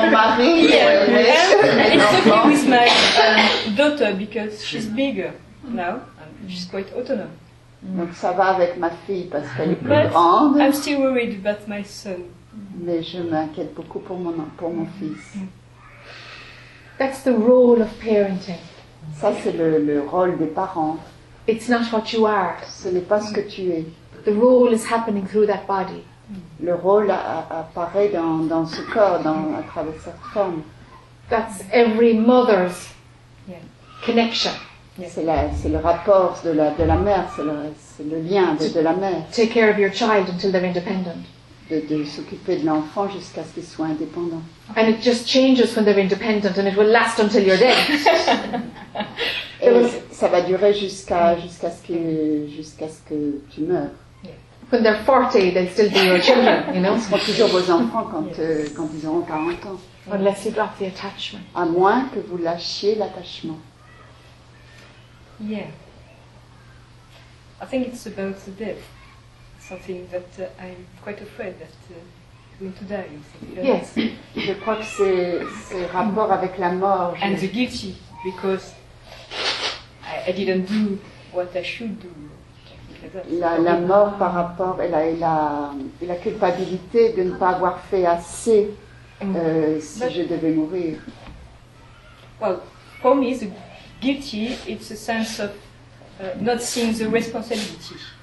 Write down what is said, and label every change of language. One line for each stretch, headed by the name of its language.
English: It's okay with my daughter because she's bigger now and she's quite autonome.
French: Donc ça va avec ma fille parce qu'elle est plus grande.
English: I'm still worried about my son.
French: Mais je m'inquiète beaucoup pour mon fils.
English: That's the role of parenting.
French: Ça c'est le rôle des parents.
English: It's not what you are.
French: Ce n'est pas ce que tu es.
English: The role is happening through that body.
French: Le rôle apparaît dans ce corps, à travers cette forme.
English: That's every mother's connection.
French: C'est le rapport de la mère, c'est le lien de la mère.
English: Take care of your child until they're independent.
French: De s'occuper de l'enfant jusqu'à ce qu'il soit indépendant.
English: And it just changes when they're independent, and it will last until you're dead.
French: Ça va durer jusqu'à ce que tu meurs.
English: When they're 40, they'll still be your children, you know?
French: Ils seront toujours vos enfants quand ils auront 40 ans.
English: Unless you drop the attachment.
French: À moins que vous lâchiez l'attachement.
English: Yeah. I think it's about the death. Something that I'm quite afraid that going to die. Yes.
French: Je crois que c'est rapport avec la mort.
English: And the guilty, because I didn't do what I should do.
French: La mort par rapport et la culpabilité de ne pas avoir fait assez si je devais mourir.
English: Well, for me, the guilty, it's a sense of not seeing the responsibility.